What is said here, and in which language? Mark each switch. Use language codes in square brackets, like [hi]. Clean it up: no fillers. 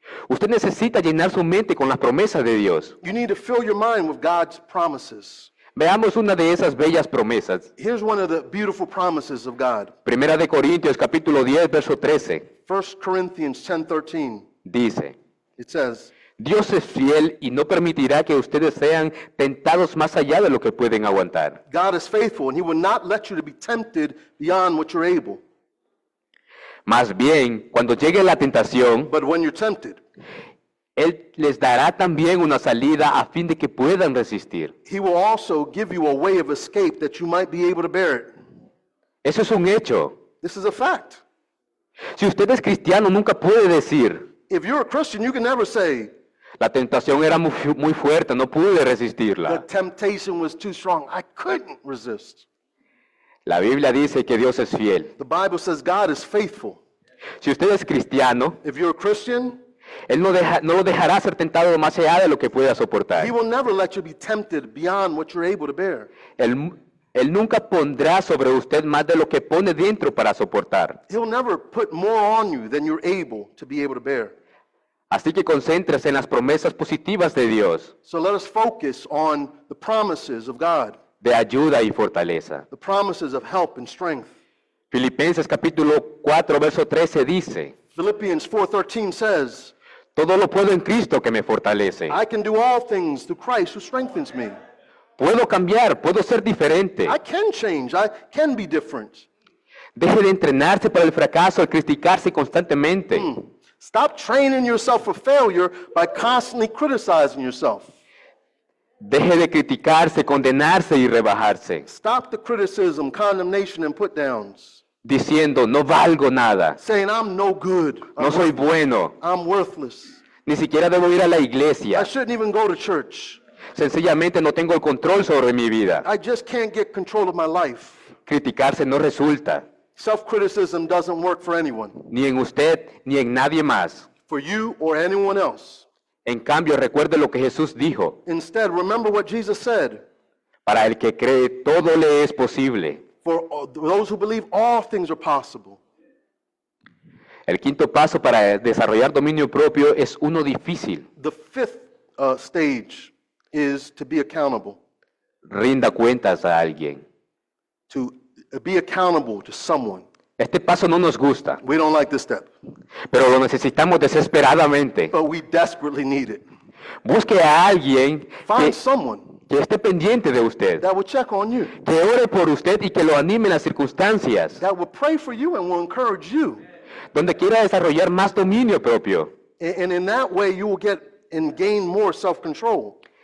[es] usted necesita llenar su mente con las promesas de Dios. [en] You need to fill your mind with God's promises. [es] Veamos una de esas bellas promesas. [en] Here's one of the beautiful promises of God. [es] Primera de Corintios, capítulo 10, verso 13. [en] 1 Corinthians 10, 13. [es] Dice. [en] It says. [es] Dios es fiel y no permitirá que ustedes sean tentados más allá de lo que pueden aguantar. [en] God is faithful and he will not let you to be tempted beyond what you're able. [es] Más bien, cuando llegue la tentación. [en] But when you're tempted. [es] Él les dará también una salida a fin de que puedan resistir. [en] He will also give you a way of escape that you might be able to bear it. [es] Eso es un hecho. [en] This is a fact. [es] Si usted es cristiano, nunca puede decir. [en] If you're a Christian, you can never say. [es] La tentación era muy fuerte, no pude resistirla. [en] The temptation was too strong. I couldn't resist. [es] La Biblia dice que Dios es fiel. [en] The Bible says God is faithful. [es] Si usted es cristiano. [en] If you're a Christian. [es] Él no lo dejará ser tentado más allá de lo que pueda soportar. [en] He will never let you be tempted beyond what you're able to bear. [es] Él nunca pondrá sobre usted más de lo que pone dentro para soportar. [en] He'll never put more on you than you're able to be able to bear. [es] Así que concéntrese en las promesas positivas de Dios. [en] So let us focus on the promises of God. [es] De ayuda y fortaleza. [en] The promises of help and strength. [es] Filipenses capítulo 4 verso 13 dice. [en] Philippians 4:13 says, [es] todo lo puedo en Cristo que me fortalece. [en] I can do all things through Christ who strengthens me. [es] Puedo cambiar, puedo ser diferente. [en] I can change, I can be different. [es] Deje de entrenarse para el fracaso al criticarse constantemente. [en] Stop training yourself for failure by constantly criticizing yourself. [es] Deje de criticarse, condenarse y rebajarse. [en] Stop the criticism, condemnation and put downs. [es] Diciendo, no valgo nada. [en] Saying, I'm no good. [es] No soy bueno. [en] I'm worthless. [es] Ni siquiera debo ir a la iglesia. [en] I shouldn't even go to church. [es] Sencillamente no tengo el control sobre mi vida. [en] I just can't get control of my life. [es] Criticarse no resulta. [en] Self-criticism doesn't work for anyone. [es] Ni en usted, ni en nadie más. [en] For you or anyone else. [es] En cambio, recuerde lo que Jesús dijo. [en] Instead, remember what Jesus said. [es] Para el que cree, todo le es posible. [en] For those who believe, all things are possible. [es] El quinto paso para desarrollar dominio propio es uno difícil. [en] The fifth stage is to be accountable. [es] Rinda cuentas a alguien. [en] To be accountable to someone. [es] Este paso no nos gusta. [en] We don't like this step. [es] Pero lo necesitamos desesperadamente. [en] But we desperately need it. [es] Busque a alguien. [en] Find someone. [es] Que esté pendiente de usted. [en] That will check on you. [es] Que ore por usted y que lo anime en las circunstancias. [en] That will pray for you and will encourage you. [es] Donde quiera desarrollar más dominio propio. [en] And in that way you will get and gain more self-control.